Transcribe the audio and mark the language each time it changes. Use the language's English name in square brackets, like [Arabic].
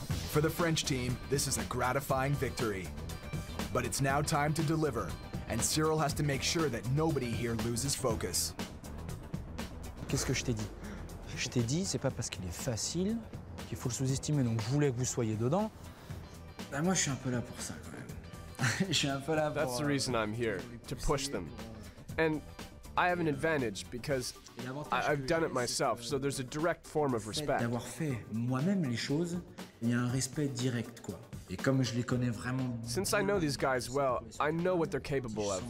[English] For the French team, this is a gratifying victory. But it's now time to deliver, and Cyril has to make sure that nobody here loses focus. [French] Qu'est-ce que je t'ai dit? Je t'ai dit, c'est pas parce qu'il est facile qu'il faut le sous-estimer, donc je voulais que vous soyez dedans. Bah moi, je suis un peu là pour ça, quand même. Je suis un peu là pour... [English] That's the reason I'm here, to push them. And I have an advantage because I've done it myself, so there's a direct form of respect. [French] D'avoir fait moi-même les choses, il y a un respect direct, quoi. Et comme je les connais vraiment. [English] Since I know these guys well, I know what they're capable of.